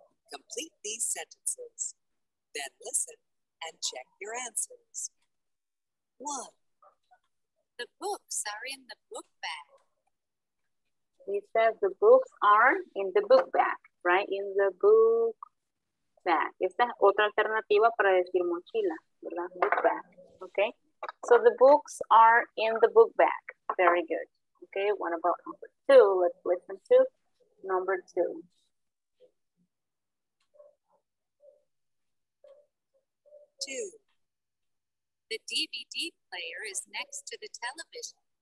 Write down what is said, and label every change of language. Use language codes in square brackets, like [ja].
[en] Complete these sentences, then listen and check your answers. One, the books are in the book bag. He says the books are in the book bag, right? In the book bag. [es] Esta es otra alternativa para decir mochila, ¿verdad? [en] Book bag, okay? So the books are in the book bag. Very good. Okay, what about number two? Let's listen to number two. Two. The DVD player is next to the television.